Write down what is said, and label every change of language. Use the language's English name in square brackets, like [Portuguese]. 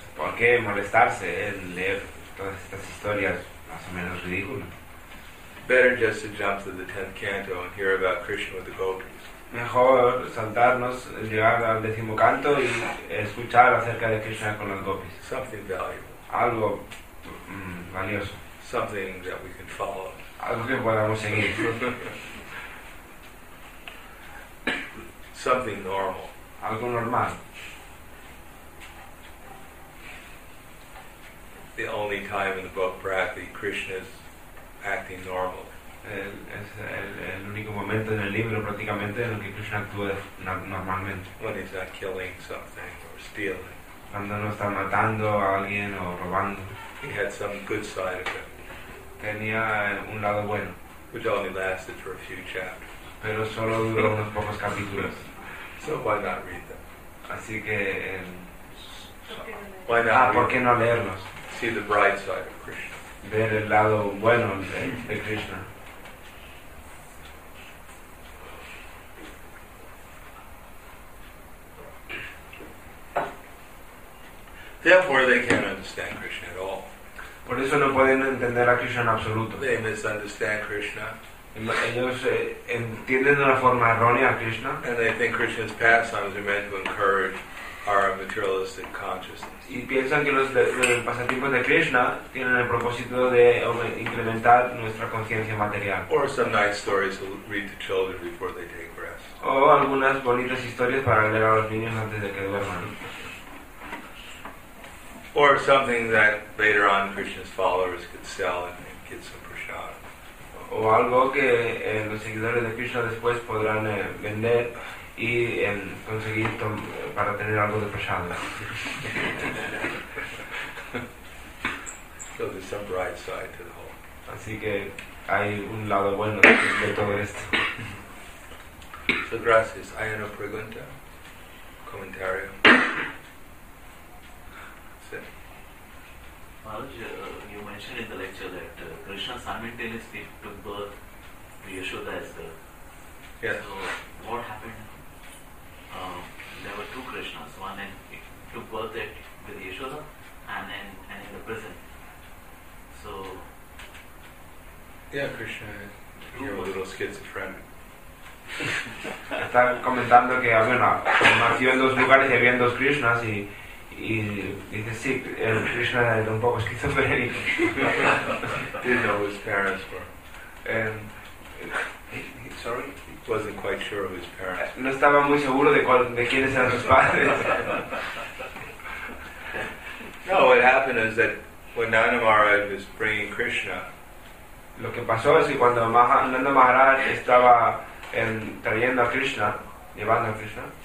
[Spanish] ¿Por qué molestarse en leer todas estas historias más o menos ridículas? [English] Better just to jump to the 10th canto and hear about Krishna with the gopis. [Spanish] Mejor saltarnos, llegar al décimo canto y escuchar acerca de Krishna con los gopis. [English] Something valuable. [Spanish] Algo valioso. [English] Something that we can follow. [Spanish] Algo que podamos seguir. [English] Something normal. [Spanish] Algo normal. [English] The only time in the book Bharati Krishna is acting normal. [Spanish] El único momento en el libro prácticamente en el que Krishna actúa normalmente. [English] When he's not killing something or stealing. [Spanish] Cuando no está matando a alguien o robando. [English] He had some good side of him. [Spanish] Tenía un lado bueno. [English] Which only lasted for a few chapters. [Spanish] Pero solo duró unos pocos capítulos. [English] So why not read them? [Spanish] Así que [English] why not [Spanish] ¿por qué no leerlos? [English] See the bright side of Krishna. [Spanish] Ver el lado bueno de Krishna. [English] Therefore they can't understand Krishna at all. [Spanish] Por eso no pueden entender a Krishna en absoluto. [English] They misunderstand Krishna. [Spanish] Ellos entienden de una forma errónea a Krishna. [English] And they think Krishna's pastimes are meant to encourage our materialistic consciousness. [Spanish] Y piensan que los pasatiempos de Krishna tienen el propósito de incrementar nuestra conciencia material. [English] Or some nice stories to read to children before they take rest. [Spanish] O algunas bonitas historias para leer a los niños antes de que duerman. [English] Or something that later on Krishna's followers could sell and get some prasad. [Spanish] O algo que los seguidores de Krishna después podrán vender y conseguir para tener algo de prasad. [English] So there's some bright side to the whole. [Spanish] Así que hay un lado bueno de todo esto. So gracias. ¿Hay una pregunta? ¿Comentario? [English] You mentioned in the lecture that Krishna simultaneously took birth to Yashoda as well. Yes. So what happened? There were two Krishnas. One and took birth with Yashoda, and then and in the prison. So. Yeah, Krishna. You're a little schizophrenic. [Spanish] Está comentando que había una formación en dos lugares y había dos Krishnas y. Y dice, sí, el Krishna era un poco esquizofrénico. [English] Didn't know who his parents were. He wasn't quite sure of his parents. [Spanish] No estaba muy seguro de quiénes eran sus padres. [English] No, what happened is that when Nanda Maharaj was bringing Krishna, [Spanish] lo que pasó es que cuando Nanda Maharaj estaba trayendo a Krishna, llevando a Krishna,